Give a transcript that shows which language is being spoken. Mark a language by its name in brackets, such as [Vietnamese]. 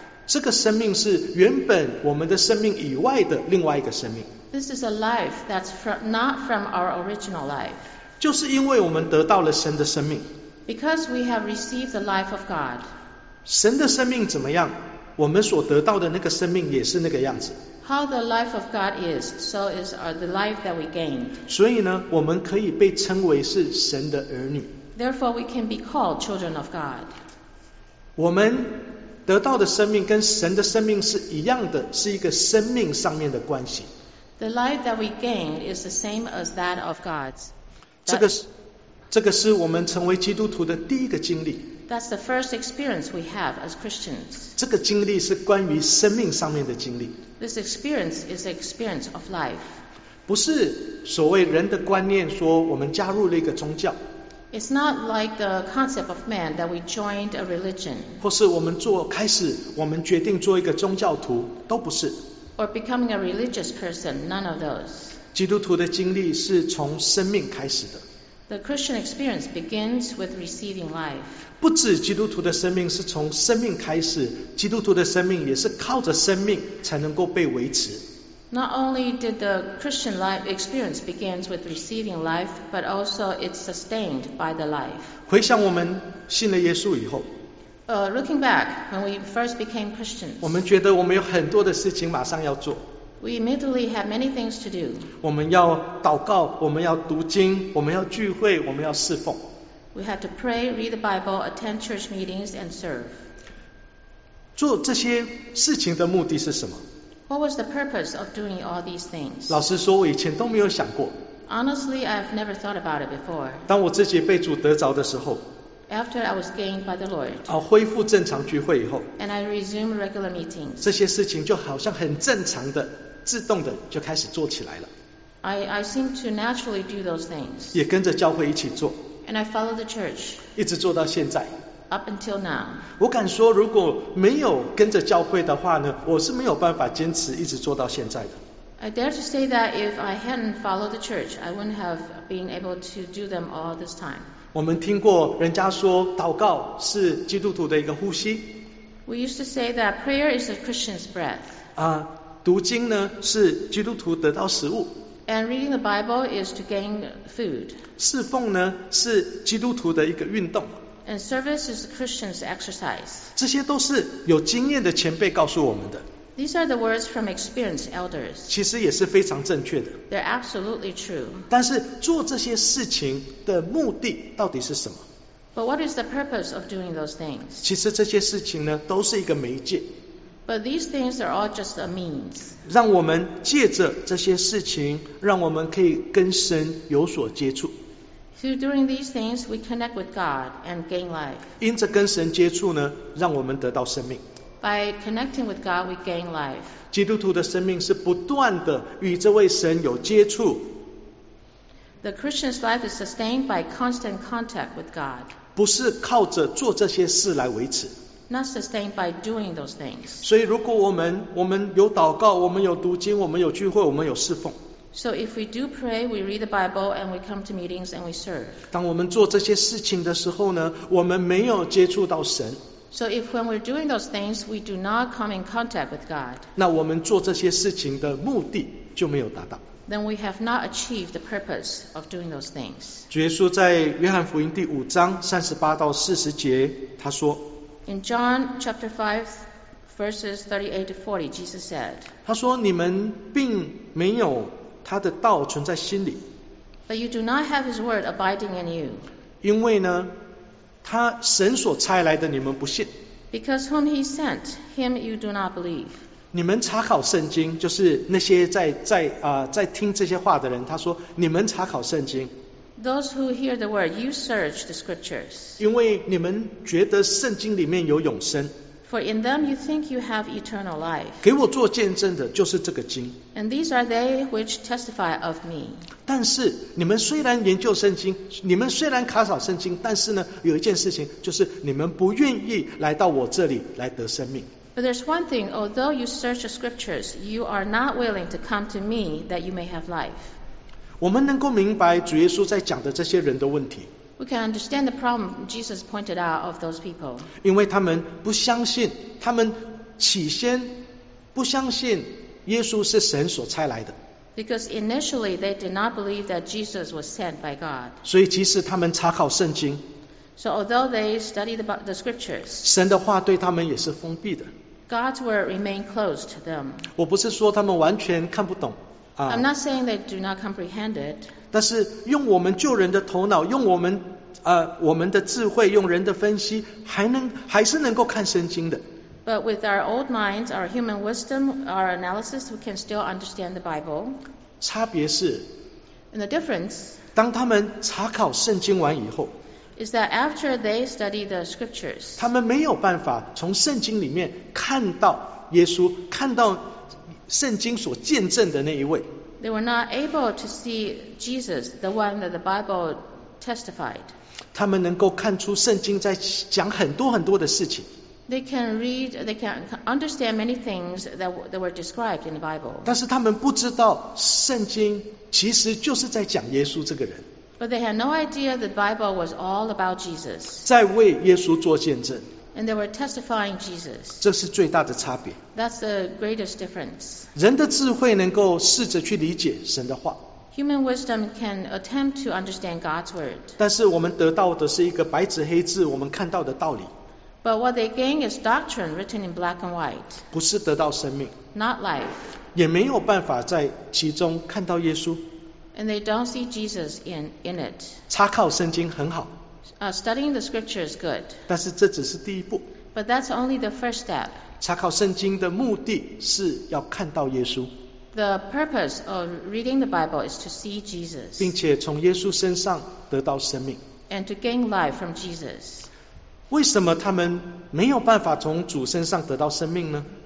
[Chinese] 这个生命是原本我们的生命以外的另外一个生命。 [English] This is a life that's not from our original life. [Chinese] 就是因为我们得到了神的生命。 [English] Because we have received the life of God. [Chinese] 神的生命怎么样，我们所得到的那个生命也是那个样子。 [English] How the life of God is, so is the life that we gained. [Chinese] 所以呢，我们可以被称为是神的儿女。 [English] Therefore, we can be called children of God. [Chinese] 我们得到的生命跟神的生命是一样的，是一个生命上面的关系。 [English] The life that we gained is the same as that of God's. [Chinese] 这个是我们成为基督徒的第一个经历。 [English] That's the first experience we have as Christians. [Chinese] 这个经历是关于生命上面的经历。 [English] This experience is the experience of life. [Chinese] 不是所谓人的观念说我们加入了一个宗教。 [English] It's not like the concept of man that we joined a religion. [Chinese] 或是我们做开始，我们决定做一个宗教徒，都不是。 [English] Or becoming a religious person, none of those. [Chinese] 基督徒的经历是从生命开始的。 [English] The Christian experience begins with receiving life. [Chinese] 不止基督徒的生命是从生命开始，基督徒的生命也是靠着生命才能够被维持。 [English] Not only did the Christian life experience begins with receiving life, but also it's sustained by the life. [Chinese] 回想我们信了耶稣以后。 [English] Looking back, when we first became Christians, [Chinese] 我们觉得我们有很多的事情马上要做。 [English] We immediately have many things to do. [Chinese] 我们要祷告，我们要读经，我们要聚会，我们要侍奉。 [English] We have to pray, read the Bible, attend church meetings, and serve. [Chinese] 做这些事情的目的是什么？ [English] What was the purpose of doing all these things? [Chinese] 老实说，我以前都没有想过。 [English] Honestly, I've never thought about it before. [Chinese] 当我自己被主得着的时候。 [English] After I was gained by the Lord. [Chinese] 恢复正常聚会以后。 [English] And I resumed regular meetings. [Chinese] 这些事情就好像很正常的、自动的就开始做起来了。 [English] I seem to naturally do those things. [Chinese] 也跟着教会一起做。 [English] And I follow the church. [Chinese] 一直做到现在。 [English] Up until now, [Chinese] 我敢说，如果没有跟着教会的话呢，我是没有办法坚持一直做到现在的。 [English] I dare to say that if I hadn't followed the church, I wouldn't have been able to do them all this time. [Chinese] 我们听过人家说，祷告是基督徒的一个呼吸。 [English] We used to say that prayer is a Christian's breath. [Chinese] 读经呢是基督徒得到食物。 [English] And reading the Bible is to gain food. [Chinese] 侍奉呢是基督徒的一个运动。 [English] And service is a Christian's exercise. [Chinese] 这些都是有经验的前辈告诉我们的。 [English] These are the words from experienced elders. [Chinese] 其实也是非常正确的。 [English] They're absolutely true. [Chinese] 但是做这些事情的目的到底是什么？ [English] But what is the purpose of doing those things? [Chinese] 其实这些事情呢，都是一个媒介。 [English] But these things are all just a means. [Chinese] 让我们借着这些事情，让我们可以跟神有所接触。 [English] Through doing these things, we connect with God and gain life. [Chinese] 因着跟神接触呢，让我们得到生命。 [English] By connecting with God, we gain life. [Chinese] 基督徒的生命是不断的与这位神有接触。 [English] The Christian's life is sustained by constant contact with God. [Chinese] 不是靠着做这些事来维持。 [English] Not sustained by doing those things. [Chinese] 所以，如果我们有祷告，我们有读经，我们有聚会，我们有侍奉。 [English] So if we do pray, we read the Bible, and we come to meetings, and we serve. [Chinese] 当我们做这些事情的时候呢，我们没有接触到神。 [English] So if when we're doing those things, we do not come in contact with God. [Chinese] 那我们做这些事情的目的就没有达到。 [English] Then we have not achieved the purpose of doing those things. [Chinese] 主耶稣在约翰福音第五章三十八到四十节，他说。 [English] In John chapter 5:38-40, Jesus said. [Chinese] 他说你们并没有。他的道存在心里。 [English] But you do not have his word abiding in you. [Chinese] 因为呢，他神所差来的你们不信。 [English] Because whom he sent, him you do not believe. [Chinese] 你们查考圣经，就是那些在听这些话的人，他说，你们查考圣经。 [English] Those who hear the word, you search the scriptures. [Chinese] 因为你们觉得圣经里面有永生。 [English] For in them you think you have eternal life. [Chinese] 给我做见证的就是这个经。 [English] And these are they which testify of me. [Chinese] 但是你们虽然研究圣经，你们虽然查考圣经，但是呢，有一件事情就是你们不愿意来到我这里来得生命。 [English] But there's one thing, although you search the scriptures, you are not willing to come to me that you may have life. [Chinese] 我们能够明白主耶稣在讲的这些人的问题。 [English] We can understand the problem Jesus pointed out of those people. [Chinese] 因为他们不相信，他们起先不相信耶稣是神所差来的。 [English] Because initially they did not believe that Jesus was sent by God. [Chinese] 所以即使他们查考圣经。 [English] So although they studied the scriptures. [Chinese] 神的话对他们也是封闭的。 [English] God's word remained closed to them. [Chinese] 我不是说他们完全看不懂。 [English] I'm not saying they do not comprehend it. [Chinese] 但是用我们旧人的头脑，用我们的智慧，用人的分析，还是能够看圣经的。 [English] But with our old minds, our human wisdom, our analysis, we can still understand the Bible. [Chinese] 差别是。 [English] And the difference. [Chinese] 当他们查考圣经完以后。 [English] Is that after they study the scriptures. [Chinese] 他们没有办法从圣经里面看到耶稣，看到。圣经所见证的那一位。 [English] They were not able to see Jesus, the one that the Bible testified. [Chinese] 他们能够看出圣经在讲很多很多的事情。 [English] They can read, they can understand many things that were described in the Bible. [Chinese] 但是他们不知道圣经其实就是在讲耶稣这个人。 [English] But they had no idea the Bible was all about Jesus. [Chinese] 在为耶稣做见证。 [English] And they were testifying Jesus. [Chinese] 这是最大的差别。 [English] That's the greatest difference. [Chinese] 人的智慧能够试着去理解神的话。 [English] Human wisdom can attempt to understand God's word. [Chinese] 但是我们得到的是一个白纸黑字我们看到的道理。 [English] But what they gain is doctrine written in black and white. [Chinese] 不是得到生命。 [English] Not life. [Chinese] 也没有办法在其中看到耶稣。 [English] And they don't see Jesus in it. [Chinese] 查考圣经很好。 [English] Studying the scripture is good. [Chinese] 但是这只是第一步。 [English] But that's only the first step. [Chinese] 查考圣经的目的是要看到耶稣。 [English] The purpose of reading the Bible is to see Jesus. [Chinese] 并且从耶稣身上得到生命。 [English] And to gain life from Jesus. [Chinese] 为什么他们没有办法从主身上得到生命呢？